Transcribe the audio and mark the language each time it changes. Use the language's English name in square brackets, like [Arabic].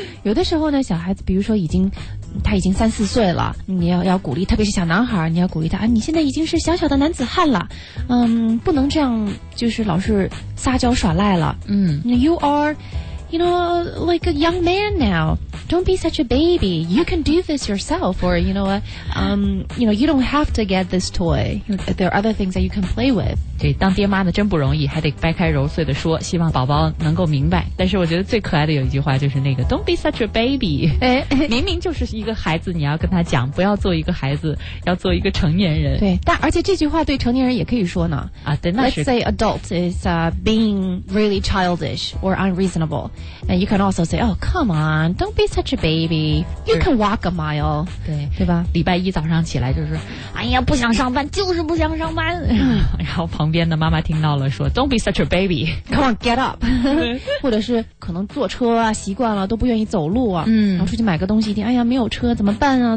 [Chinese] 有的时候呢，小孩子比如说他已经三四岁了，你要鼓励，特别是小男孩，你要鼓励他啊，你现在已经是小小的男子汉了，不能这样就是老是撒娇耍赖了。嗯， [English] you are you know like a young man now， don't be such a baby， you can do this yourself， or you know you know you don't have to get this toy， there are other things that you can play with。 [Chinese] 对，当爹妈的真不容易，还得掰开揉碎的说，希望宝宝能够明白。但是我觉得最可爱的有一句话就是那个 [English] don't be such a baby， [Chinese] 明明就是一个孩子，你要跟他讲不要做一个孩子，要做一个成年人。对，但而且这句话对成年人也可以说呢啊，对，那是 [English] let's say adult is being really childish or unreasonable，And you can also say, oh, come on, don't be such a baby. You can walk a mile. [Chinese] 对，对吧？礼拜一早上起来就是，哎呀，不想上班，就是不想上班。然后旁边的妈妈听到了说 [English] don't be such a baby. Come on, get up. [Chinese] 或者是可能坐车啊，习惯了都不愿意走路啊。嗯。然后出去买个东西一听，哎呀，没有车怎么办啊？